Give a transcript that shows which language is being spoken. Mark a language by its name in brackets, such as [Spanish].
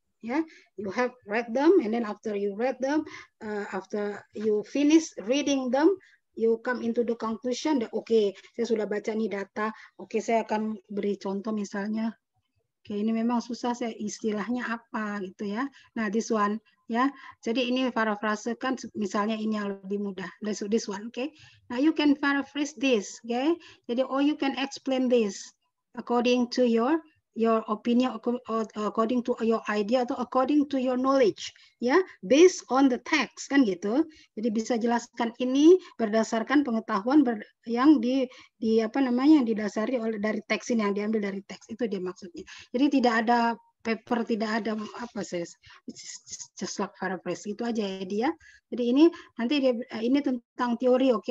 [English] Yeah, you have read them, and then after you read them, after you finish reading them, you come into the conclusion that okay, saya sudah baca nih data. [Indonesian] Okay, saya akan beri contoh misalnya. Okay, ini memang susah, saya istilahnya apa gitu ya. Nah, this one, yeah. Jadi ini paraphrase kan, misalnya ini yang lebih mudah. [English] This one, okay. Now you can paraphrase this, okay. Jadi or you can explain this according to your opinion, according to your idea, atau according to your knowledge, ya, based on the text, kan gitu. [Indonesian] Jadi bisa jelaskan ini berdasarkan pengetahuan yang di apa namanya, yang didasari oleh dari teks ini, yang diambil dari teks itu dia maksudnya. Jadi tidak ada paper, tidak ada apa sih, just like paraphrase itu aja ya dia. Jadi ini nanti dia, ini tentang teori, oke.